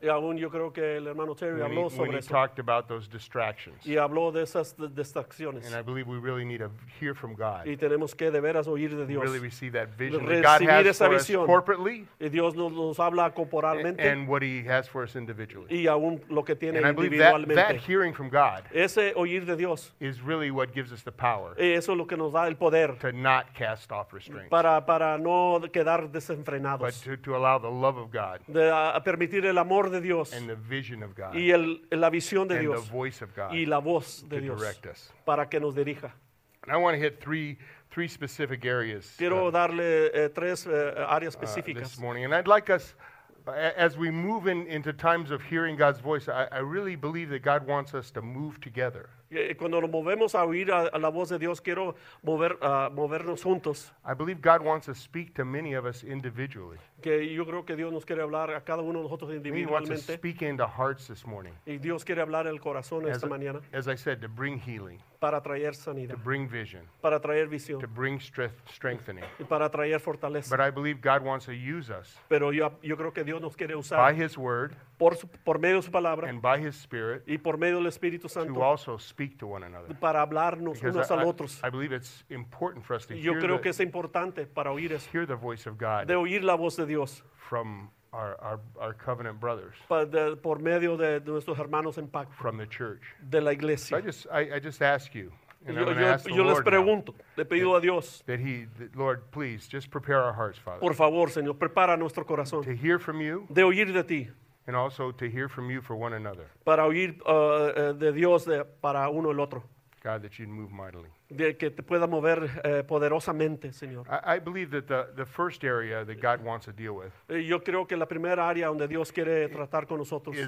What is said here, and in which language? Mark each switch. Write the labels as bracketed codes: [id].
[es] Y aún yo creo que el hermano Terry habló sobre eso. [en] When he talked about those distractions. [es] Y habló de esas distracciones. [en] And I believe we really need to hear from God. [es] Y tenemos que de veras oír de Dios. [en] Really receive that vision that God has for us corporately. [es] Y Dios nos habla corporalmente. [en] And what he has for us individually. [es] Y aún lo que tiene individualmente. [en] And I believe that hearing from God. [es] Ese oír de Dios. [en] Is really what gives us the power. [es] Y eso es lo que nos da el poder. [en] To not cast off restraint. [es] Para no quedar desenfrenados. [en] But to allow the love of God. [es] A permitir el amor de Dios. [en] And the vision of God. [es] Y la visión de Dios. [en] And the voice of God. [es] Y la voz de Dios. [en] To direct us. [es] Para que nos dirija. [en] And I want to hit three specific areas. [es] Quiero darle tres áreas específicas. [en] This morning. And I'd like us, as we move into times of hearing God's voice, I really believe that God wants us to move together. [es] Cuando nos movemos a oír a la voz de Dios, quiero movernos juntos. [en] I believe God wants to speak to many of us individually. [es] Que yo creo que Dios nos quiere hablar a cada uno de nosotros individualmente. [en] He wants to speak into hearts this morning. [es] Y Dios quiere hablar el corazón esta mañana. [en] As I said, to bring healing. [es] Para traer sanidad. [en] To bring vision. [es] Para traer visión. [en] To bring strengthening. [es] Y para traer fortaleza. [en] But I believe God wants to use us. [es] Pero yo creo que Dios nos quiere usar. [en] By His word. [es] Por medio de su palabra. [en] And by His spirit. [es] Y por medio del Espíritu Santo. [en] To also speak to one another. [es] Para hablarnos unos a otros. [en] I believe it's important for us to hear. [es] Yo creo que es importante para oír eso. [en] Hear the voice of God. [es] De oír la voz de Dios. [en] From our covenant brothers. [es] Por medio de nuestros hermanos en pacto. [en] From the church. [es] De la iglesia. [en] So I just ask you. And I'm going to ask the Lord [es] les pregunto, [en] now, [es] le pedido a Dios, [en] that He, that Lord, please just prepare our hearts, Father. [es] Por favor, Señor, prepara nuestro corazón. [en] To hear from you. [es] De oír de ti. [en] And also to hear from you for one another. [es] Para oír de Dios para uno el otro. [en] God, that you'd move mightily. [es] De que te pueda mover poderosamente, Señor. [en] I believe that the first area that God wants to deal with. [es] Yo creo que la primera área donde Dios quiere tratar con nosotros.